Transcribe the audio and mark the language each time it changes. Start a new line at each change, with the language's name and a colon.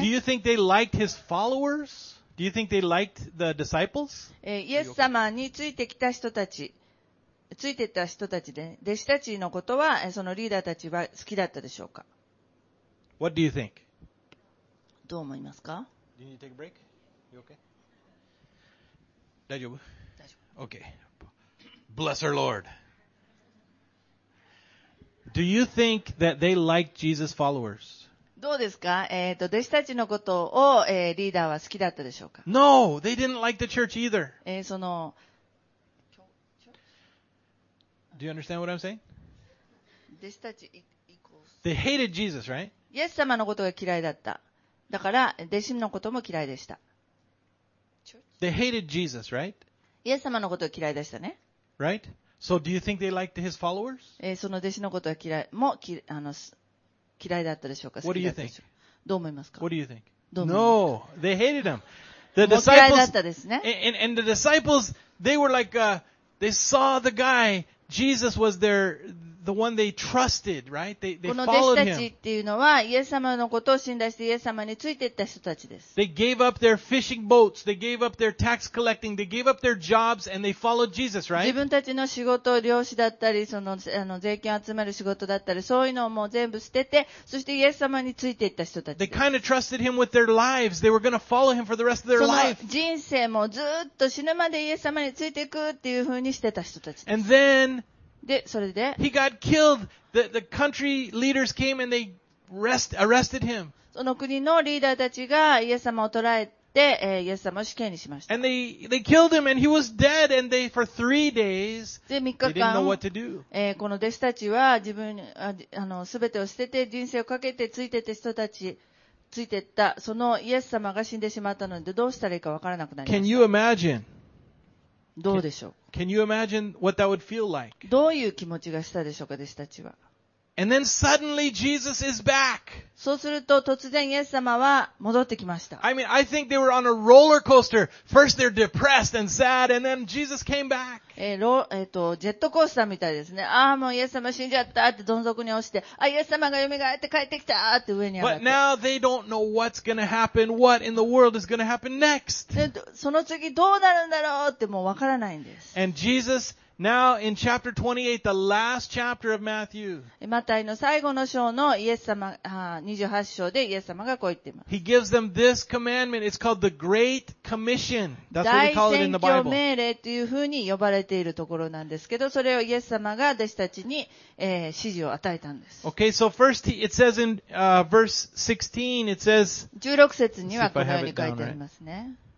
English: Do you think they liked his followers? Do you think they liked the disciples?
Japanese: イエス様についてきた人たち、ついてた人たちで、弟子たちのことは、そのリーダーたちは好きだったでしょうか?
English: What do you think?
Japanese: どう思いますか?
English: Do you need to take a break? You okay?
Japanese: 大丈夫? 大丈夫。
English: Okay. Bless our Lord. Do you think that they liked Jesus' followers?
Japanese: どうですか、弟子たちのことを、リーダーは好きだったでしょうか
English: No, they didn't like the church either.
Japanese: その、
English: Do you understand what I'm saying?
Japanese: 弟子たち、
English: They hated Jesus, right?
Japanese: イエス様のことが嫌いだった。だから、弟子のことも嫌いでした。
English: They hated Jesus, right?
Japanese: イエス様のことが嫌いでしたね。
English: Right? So do you think they liked his followers?
Japanese: その弟子のことが嫌いも、嫌いだったでしょうか。
English: What do you think?
Japanese: どう思いますか。
English: What do you think?
Japanese: どう思います。
English: No, they hated him. The disciples.
Japanese: もう嫌いだったですね。
English: And the disciples, they were like, they saw the guy. Jesus was their, the one they trusted, right? They followed him.
Japanese: この弟子たちっていうのは、イエス様のことを信頼してイエス様についていった人たちです。
English: They gave up their fishing boats. They gave up their tax collecting. They gave up their jobs and they followed Jesus, right?
Japanese: 自分たちの仕事、漁師だったり、その税金を集める仕事だったり、そういうのをもう全部捨てて、そしてイエス様についていった人たちです。
English: They kind of trusted him with their lives. They were going to follow him for the rest of their life.
Japanese: その人生もずっと死ぬまでイエス様についていくっていう風にしてた人たちです。
English: And then,
Japanese: で、それで、
English: He got killed. The country leaders came and they arrested him.
Japanese: その国のリーダーたちがイエス様を捕らえて、イエス様を死刑にしました。
English: And they killed him and he was dead and they for three days they didn't know what to do.
Japanese: この弟子たちは自分、すべてを捨てて人生をかけてついてた人たち、ついてった、そのイエス様が死んでしまったので、どうしたらいいかわからなくなりました。
English: Can you imagine?
Japanese: どうでしょう?
English: Can you imagine what that would feel like?
Japanese: どういう気持ちがしたでしょうか、弟子たちは。
English: And then suddenly Jesus is back.
Japanese: そうすると突然イエス様は戻ってきました。
English: I mean, I think they were on a roller coaster. First they're depressed and sad, and then Jesus came back.
Japanese: ジェットコースターみたいですね。ああ、もうイエス様死んじゃったってどん底に落ちて、あ、イエス様が蘇って帰ってきたって上に上がって。
English: But now they don't know what's going to happen. What in the world is going to happen next?
Japanese: その次どうなるんだろうってもうわからないんです。
English: And Jesus Now, in chapter 28, the last chapter of Matthew.
Japanese: マタイの最後の章のイエス様、28章でイエス様がこう言っています。
English: He gives them this commandment. It's called the Great Commission. That's what we call it in the Bible.
Japanese: 大宣教命令というふうに呼ばれているところなんですけど、それをイエス様が弟子たちに、指示を与えたんです。
English: Okay, so first, it says in, verse 16, it says,
Japanese: 16節にはこのように書いてありますね。